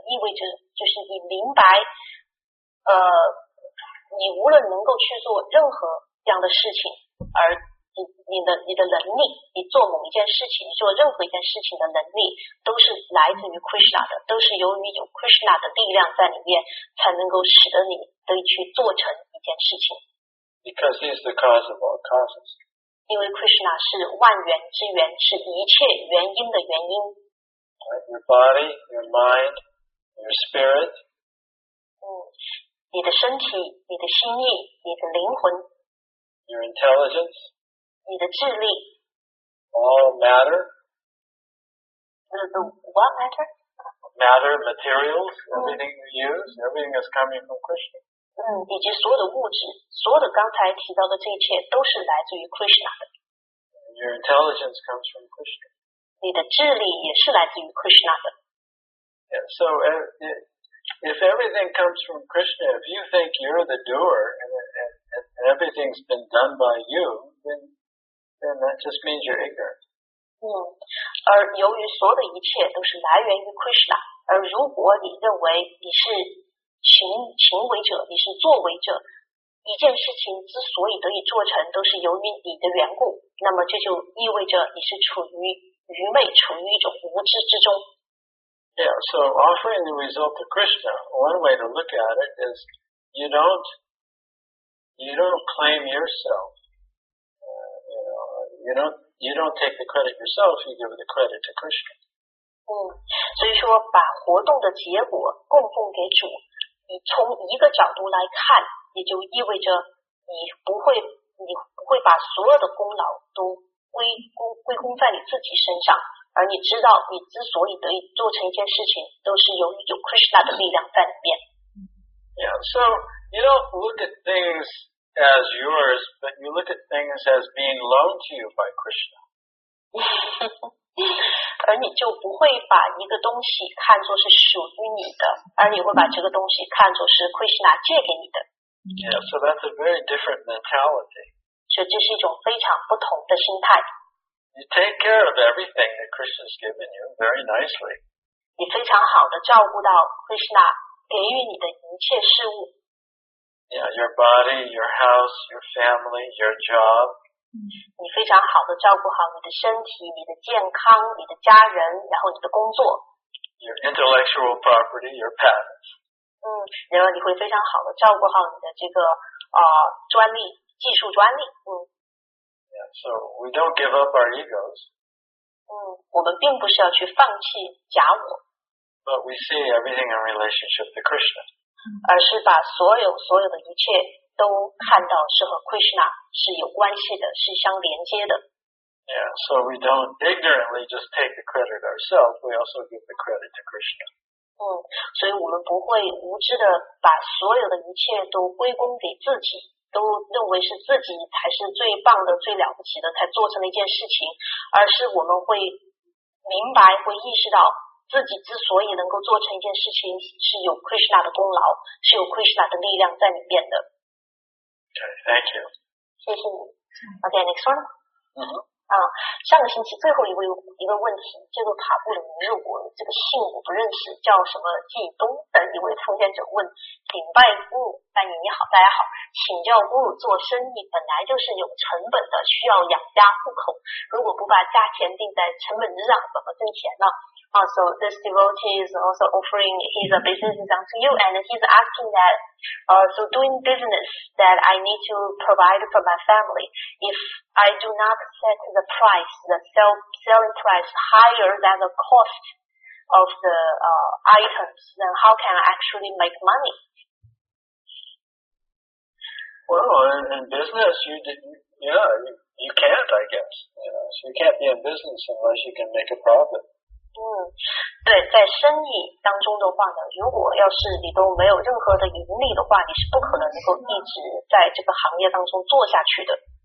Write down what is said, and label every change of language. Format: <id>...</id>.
<zh>意味着就是你明白，你无论能够去做任何样的事情，而你的能力，你做某一件事情，做任何一件事情的能力，都是来自于 Krishna 的，都是由于有 Krishna 的力量在里面，才能够使得你得以去做成一件事情。</zh> <en>Because he is the cause of all causes.</en> <zh>因为 Krishna 是万源之源，是一切原因的原因。</zh> <en>Your body, your mind, your spirit.</en> <zh>你的身体，你的心意，你的灵魂。</zh> <en>Your intelligence.</en> <zh>你的智力。</zh> <en>All matter. The what matter? Matter, materials, everything you use, everything is coming from Krishna.</en> <zh>以及所有的物质，所有的刚才提到的这一切都是来自于 Krishna 的。</zh> <en>Your intelligence comes from Krishna.</en> <zh>你的智力也是来自于 Krishna 的。</zh> <en>Yeah, so if everything comes from Krishna, if you think you're the doer and everything's been done by you, then that just means you're ignorant.</en> <zh>而由于所有的一切都是来源于 Krishna, 而如果你认为你是行为者，你是作为者，一件事情之所以得以做成，都是由于你的缘故，那么这就意味着你是处于愚昧，处于一种无知之中。</zh> <en>Yeah, so offering the result to Krishna, one way to look at it is you don't claim yourself. You don't take the credit yourself, you give the credit to Krishna.</en> <zh>所以说把活动的结果供奉给主。你从一个角度来看，也就意味着你不会把所有的功劳都归功在你自己身上，而你知道你之所以得以做成一件事情，都是由于有 Krishna 的力量在里面。</zh> <en>Yeah, so you don't look at things as yours, but you look at things as being loaned to you by Krishna.</en> <zh>而你就不会把一个东西看作是属于你的，而你会把这个东西看作是 Krishna 借给你的。</zh> <en>Yeah, so that's a very different mentality.</en> <zh>所以这是一种非常不同的心态。</zh> <en>You take care of everything that Krishna's given you very nicely.</en> <zh>你非常好的照顾到 Krishna 给予你的一切事物。</zh> <en>Yeah, your body, your house, your family, your job.</en> <zh>你非常好的照顾好你的身体，你的健康，你的家人，然后你的工作。</zh> <en>Your intellectual property, your patents.</en> <zh>然后你会非常好的照顾好你的这个专利，技术专利。</zh> <en>Yeah, so we don't give up our egos.</en> <zh>我们并不是要去放弃假我。</zh> <en>But we see everything in relationship to Krishna.</en> <zh>而是把所有的一切都看到是和 Krishna 是有关系的，是相连接的。</zh> <en>Yeah, so we don't ignorantly just take the credit ourselves. We also give the credit to Krishna.</en> <zh>所以我们不会无知的把所有的一切都归功给自己，都认为是自己才是最棒的、最了不起的，才做成了一件事情，而是我们会明白、会意识到自己之所以能够做成一件事情，是有 Krishna 的功劳，是有 Krishna 的力量在里面的。</zh> <en>Okay, thank you.</en> <zh>谢谢你。</zh> <en>OK, next one.</en> <zh>上个星期最后一个问题，这个卡布里尼日国，这个姓我不认识，叫什么季东的一位奉献者问，顶拜布鲁，拜你好，大家好，请教布鲁做生意本来就是有成本的，需要养家糊口，如果不把价钱定在成本之上，怎么挣钱呢？</zh> <en>Also, this devotee is also offering his business to you, and he's asking that, so doing business that I need to provide for my family, if I do not set the price, the selling price higher than the cost of the items, then how can I actually make money? Well, in business, you can't, I guess. So you can't be in business unless you can make a profit.</en> <zh>对，在生意当中的话呢，如果要是你都没有任何的盈利的话，你是不可能能够一直在这个行业当中做下去的。</zh>